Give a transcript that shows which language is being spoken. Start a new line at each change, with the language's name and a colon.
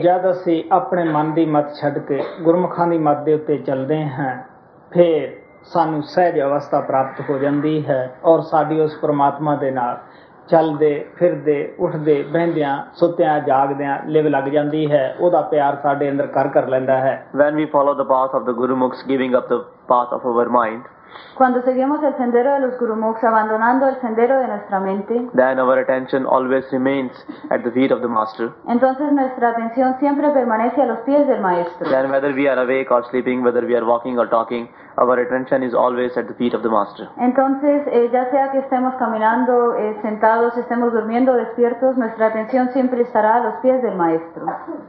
Punjabi: ਅਸੀਂ ਆਪਣੇ ਮਨ ਦੀ ਮਤ ਛੱਡ ਕੇ ਗੁਰਮੁਖਾਂ ਦੀ ਮਤ ਦੇ ਉੱਤੇ ਚੱਲਦੇ ਹਾਂ, ਫਿਰ ਸਾਨੂੰ ਸਹਿਜ ਅਵਸਥਾ ਪ੍ਰਾਪਤ ਹੋ ਜਾਂਦੀ ਹੈ ਔਰ ਸਾਡੀ ਉਸ ਪਰਮਾਤਮਾ ਦੇ ਨਾਲ ਚੱਲਦੇ ਫਿਰਦੇ ਉੱਠਦੇ ਬਹਿੰਦਿਆਂ ਸੁੱਤਿਆਂ ਜਾਗਦਿਆਂ ਲਿਵ ਲੱਗ ਜਾਂਦੀ ਹੈ, ਉਹਦਾ ਪਿਆਰ ਸਾਡੇ ਅੰਦਰ ਕਰ ਲੈਂਦਾ ਹੈ।
English: When we follow the path of the Gurumukhs, giving up the path of our mind,
Spanish: cuando seguimos el sendero de los gurumukhs abandonando el sendero de nuestra mente,
English: then our attention always remains at the feet of the master.
Spanish: Entonces nuestra atención siempre permanece a los pies del maestro.
English: Then whether we are awake or sleeping, whether we are walking or talking, our attention is always at the feet of the master.
Spanish: Entonces ya sea que estemos caminando, sentados, estemos durmiendo, despiertos, nuestra atención siempre estará a los pies del maestro.